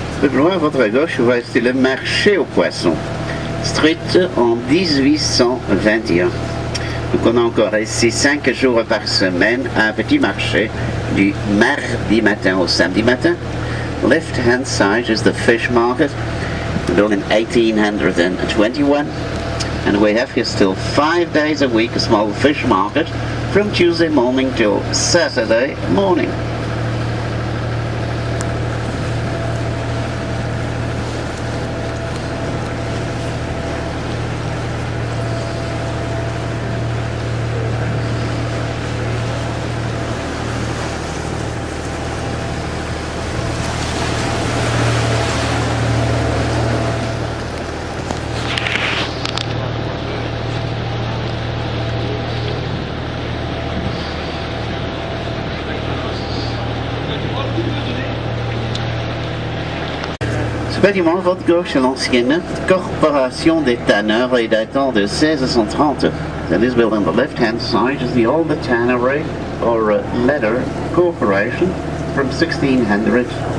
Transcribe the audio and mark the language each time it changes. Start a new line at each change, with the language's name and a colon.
French: Plus loin, à votre gauche, vous voyez le marché aux poissons. Street en 1821. Donc on a encore ici 5 jours par semaine un petit marché du mardi matin au samedi matin.
English: Left hand side is the fish market, built in 1821. And we have here still 5 days a week a small fish market from Tuesday morning till Saturday morning.
French: Effectivement, votre gauche est l'ancienne corporation des tanneurs et datant de 1630.
English: This building on the left hand side is the old tannery or leather corporation from 1630.